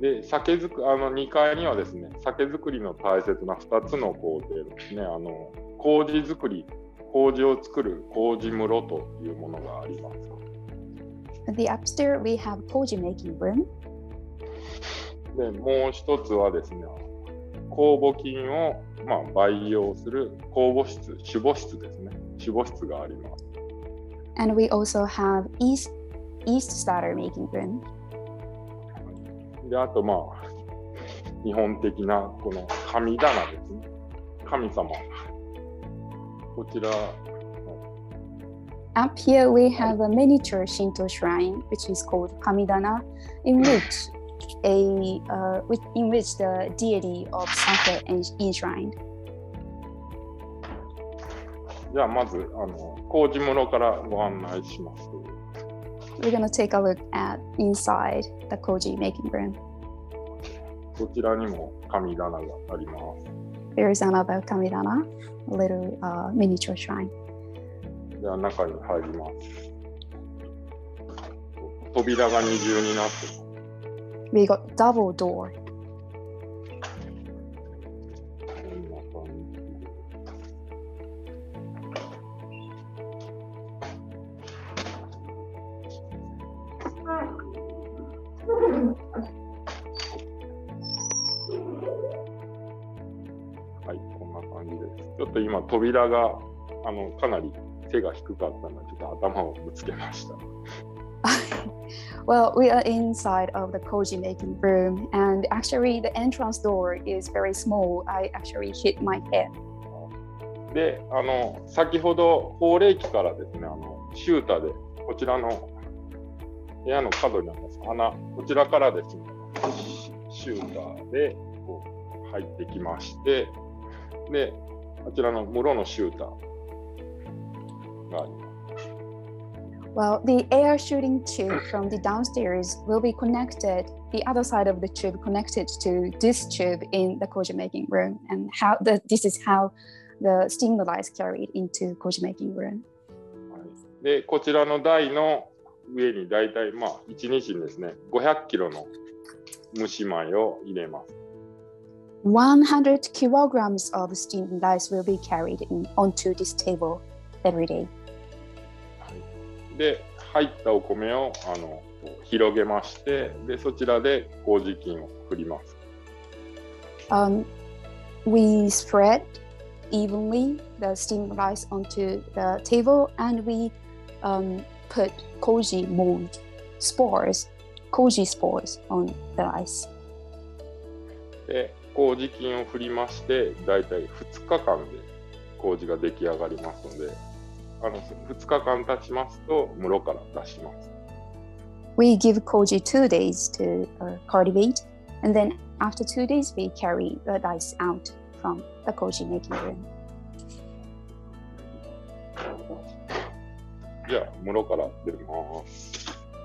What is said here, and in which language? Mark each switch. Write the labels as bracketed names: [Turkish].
[Japanese] で、酒造、あの2階にはですね、酒造りの大切な2つの工程ですね。あの、麹造り、麹を作る麹室というものがあります。 [English] The upstairs we have Toji making room. [Japanese] でもう一つはですね、酵母菌を、まあ、培養する酵母室、種母室ですね。種母室があります。 [English] And we also have yeast starter making room. [Japanese] であとまあ日本的なこの神棚ですね。神様。こちら。 [English] Up here we have a miniature Shinto shrine, which is called Kamidana, in which the deity of sake is enshrined. [Japanese] じゃあまずあの工事室からご案内します。 [English] We're gonna take a look at inside the Koji making room. [Japanese] こちらにも Kamidana があります。 [English] There is another Kamidana, a little miniature shrine. [Japanese] では中に入ります。扉が二重になっています。 [English] We got double door. [Japanese] こんな感じ。はい、こんな感じです。ちょっと今扉がかなり手が低かったのでちょっと頭をぶつけました。 [English] Well, we are inside of the Koji making room, and actually the entrance door is very small. I actually hit my head. [Japanese] で、先ほど放冷機からですね、シューターでこちらの部屋の角にあります穴、こちらからですね、シューターでこう入ってきまして、で、あちらの室のシューター。 [English] Well, the air shooting tube from the downstairs will be connected, the other side of the tube connected to this tube in the Koji making room, and this is how the steam is carried into Koji making room. [Japanese] で、こちらの台の上にだいたい、まあ、1日ですね、500キロの蒸し米を入れます。 [English] 100 kilograms of steam rice will be carried onto this table every day. [Japanese] で入ったお米を広げまして、でそちらで麹菌を振ります。 [English] We spread evenly the steamed rice onto the table and we put koji mold spores, koji spores on the rice. [Japanese] で麹菌を振りまして、だいたい2日間で麹が出来上がりますので、2日間経ちますと室から出します。 [English] We give koji 2 days to cultivate, and then after 2 days we carry the rice out from the koji making room. [Japanese] じゃあ室から出ます。